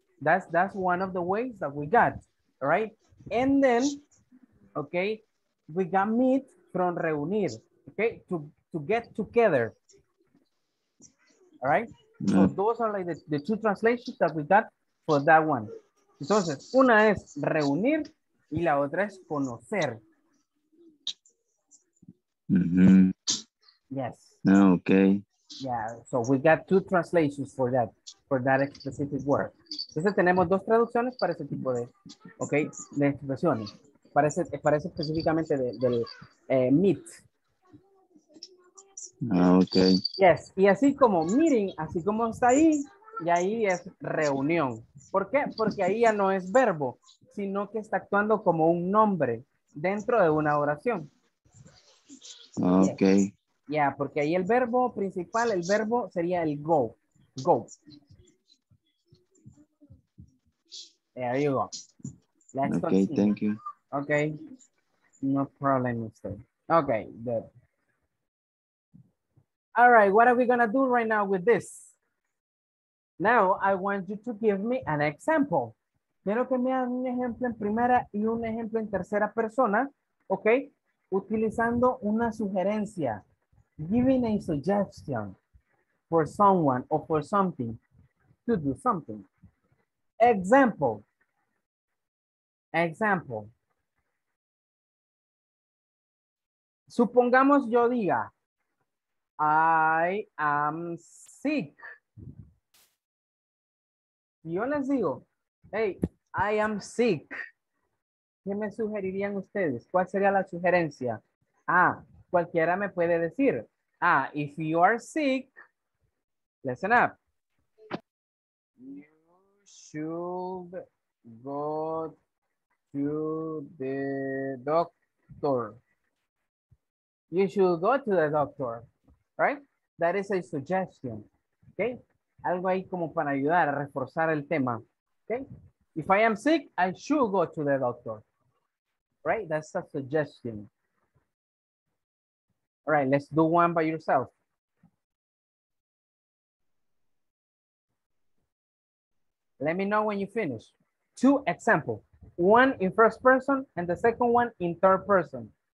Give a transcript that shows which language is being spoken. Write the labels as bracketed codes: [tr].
[en] That's one of the ways that we got, right? And then, okay, we got meet from reunir, okay? To get together, all right? Yeah. So those are like the two translations that we got for that one. [es] Entonces, una es reunir y la otra es conocer. [en] Yes. Okay. Yeah, so we got two translations for that specific word. [es] Entonces tenemos dos traducciones para ese tipo de, okay, de expresiones. Parece específicamente del meet. [en] Okay. [es] Yes, y así como meeting, así como está ahí, y ahí es reunión. ¿Por qué? Porque ahí ya no es verbo, sino que está actuando como un nombre dentro de una oración. [en] Okay. Yes. [es] Yeah, porque ahí el verbo principal, el verbo sería el go. [en] Go. There you go. Let's okay, continue. Thank you. Okay. No problem, mister. Okay, good. All right, what are we going to do right now with this? Now, I want you to give me an example. [es] Quiero que me hagan un ejemplo en primera y un ejemplo en tercera persona, okay? Utilizando una sugerencia. [en] Giving a suggestion for someone or for something to do something. Example. [es] Supongamos yo diga, [en] I am sick. [es] Yo les digo, hey, [en] I am sick. [es] ¿Qué me sugerirían ustedes? ¿Cuál sería la sugerencia? Cualquiera me puede decir. [en] If you are sick, listen up. You should go to the doctor. You should go to the doctor. right? That is a suggestion, okay? [es] Algo ahí como para ayudar a reforzar el tema, okay? [en] If I am sick, I should go to the doctor, right? That's a suggestion. All right, let's do one by yourself. Let me know when you finish. Two examples, one in first person and the second one in third person.